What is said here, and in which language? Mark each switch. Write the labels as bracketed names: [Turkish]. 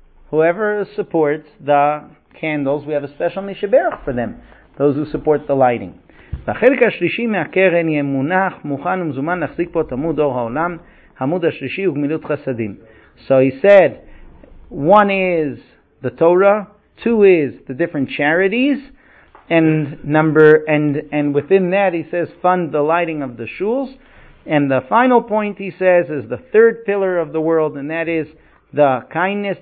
[English] Whoever supports the candles, we have a special mishaberach for them. Those who support the lighting. [Hebrew] והחלק השלישי מהקרן יהיה מונח, מוכן ומזומן להחזיק פה את עמוד אור העולם. העמוד השלישי הוא גמילות חסדים. [English] So he said, one is the Torah, two is the different charities, and within that he says, fund the lighting of the shuls. And the final point he says is the third pillar of the world, and that is the kindness.